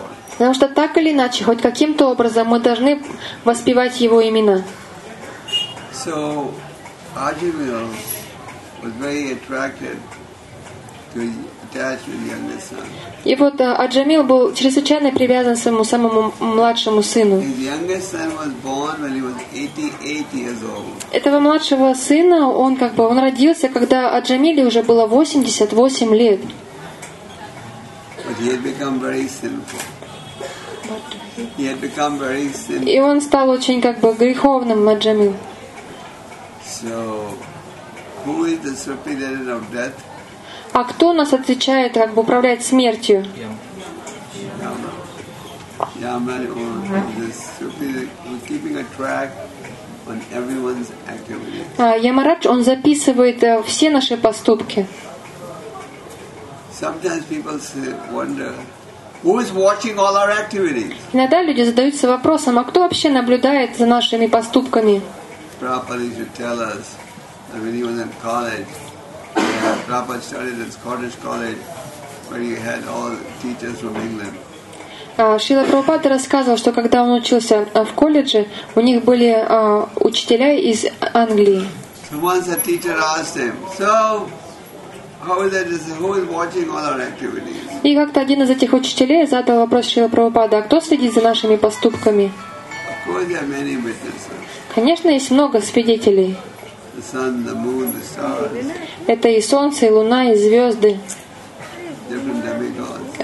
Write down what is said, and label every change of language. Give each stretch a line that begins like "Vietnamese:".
Russian: Потому что так или иначе, хоть каким-то образом мы должны воспевать его имена.
English: So Ajamil was very attracted to attached to the youngest son.
Russian: И вот Аджамил был чрезвычайно привязан к своему самому младшему сыну.
English: His youngest son was born when he was 88 years old.
Russian: Этого младшего сына он как бы он родился, когда Аджамиле уже было 88 лет.
English: But he had become very sinful. He had become very sinful.
Russian: И он стал очень как бы греховным Аджамил.
English: So, who is the superintendent of death?
Russian: А кто нас отвечает, как бы управляет смертью?
English: Yama. Yama is the superintendent, keeping a track on everyone's activity.
Russian: Ямарадж, он записывает все наши поступки.
English: Sometimes people wonder, who is watching all our activities?
Russian: Иногда люди задаются вопросом, а кто вообще наблюдает за нашими поступками?
English: Prabhupada used to tell us that when he was in college, Prabhupada studied at Scottish College, where he had all teachers from England.
Russian: Шрила Прабхупада рассказывал, что когда он учился в колледже, у них были учителя из Англии.
English: So once a teacher asked him, so how is that? Who is watching all our activities?
Russian: И как-то один из этих учителей задал вопрос Шрила Прабхупада, а кто следит за нашими поступками?
English: Of course, there are many witnesses.
Russian: Конечно, есть много свидетелей.
English: The sun, the moon, the stars.
Russian: Это и солнце, и луна, и звезды.
English: Different demigods.